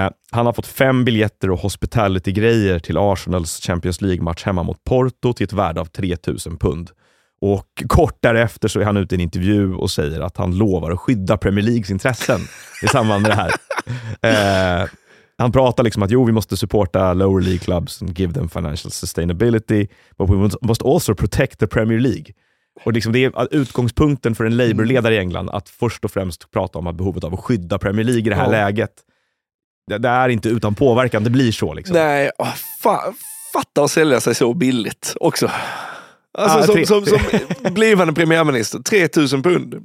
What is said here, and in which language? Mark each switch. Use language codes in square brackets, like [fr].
[sv] Han har fått 5 biljetter och hospitality-grejer till Arsenals Champions League-match hemma mot Porto till ett värde av 3000 pund. Och kort därefter så är han ute i en intervju och säger att han lovar att skydda Premier Leagues intressen i samband med det här. Han pratar liksom att jo, vi måste supporta [en] lower league clubs and give them financial sustainability, but we must also protect the Premier League. [sv] Och liksom det är utgångspunkten för en Labour-ledare i England att först och främst prata om att behovet av att skydda Premier League i det här läget. Det är inte utan påverkan, det blir så liksom. Nej, fatta att sälja sig så billigt också. Alltså som blivande premiärminister, 3000 pund.